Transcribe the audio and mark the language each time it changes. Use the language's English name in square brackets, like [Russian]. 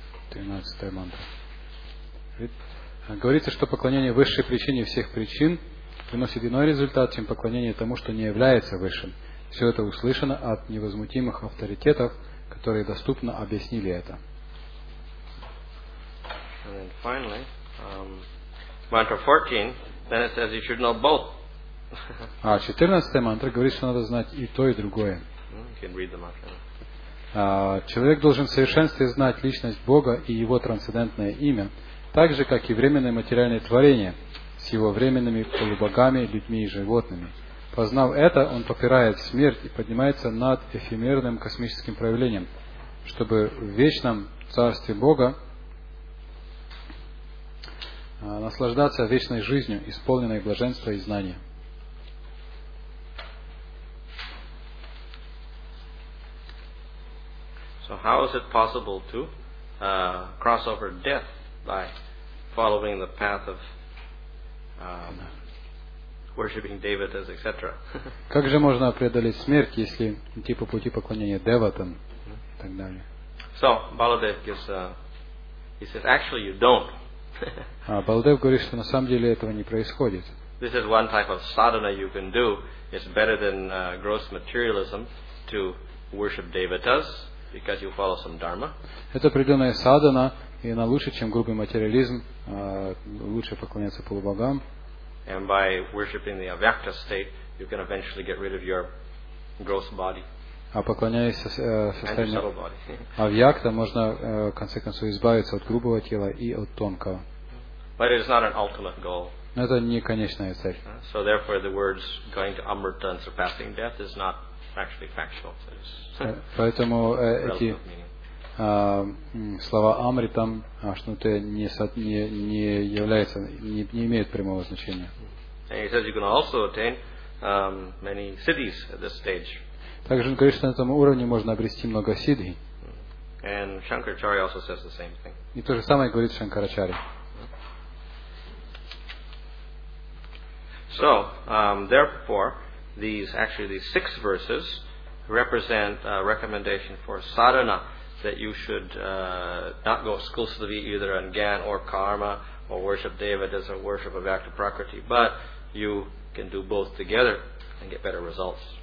[Russian] 13 мантра. Говорится, что поклонение высшей причине всех причин приносит иной результат, чем поклонение тому, что не является высшим. Все это услышано от невозмутимых авторитетов, которые доступно объяснили это. [English] And then finally, mantra 14, then it says you should know both. [Russian] 14 мантра говорит, что надо знать и то, и другое. [English] You can read the mantra. [Russian] Человек должен в совершенстве знать личность Бога и его трансцендентное имя, так же, как и временное материальное творение с его временными полубогами, людьми и животными. Познав это, он попирает смерть и поднимается над эфемерным космическим проявлением, чтобы в вечном царстве Бога наслаждаться вечной жизнью, исполненной блаженства и знания. [English] So how is it possible to cross over death by following the path of worshiping devatas, etc. [Russian] Как же можно преодолеть смерть, если идти по пути поклонения деватам и так далее? [English] So Baladev gives he says actually you don't. [Russian] Baladev говорит, что на самом деле этого не происходит. [English] This is one type of sadhana you can do. It's better than gross materialism to worship devatas because you follow some dharma. [Russian] Это определенная садхана. И она лучше, чем грубый материализм, лучше поклоняться полубогам. [English] And by worshiping the avyakta state, you can eventually get rid of your gross body. [Russian] А поклоняясь состоянию [English] subtle body. [Russian] Авьякта, можно в конце концов избавиться от грубого тела и от тонкого. [English] But it is not an ultimate goal. [Russian] Но это не конечная цель. [English] So therefore the words going to amrita and surpassing death is not actually factual. [Russian] Поэтому эти слова амритам, что-то не является, не имеет прямого значения. [English] And he says you can also attain many siddhis at this stage. [Russian] Также он говорит, что на этом уровне можно обрести много сиддхи. [English] And Shankaracharya also says the same thing. [Russian] И то же самое говорит Шанкарачарья. [English] So, therefore, these six verses represent a recommendation for sadhana. That you should not go exclusively either on gan or karma or worship devatas or worship of avyakta prakriti, but you can do both together and get better results.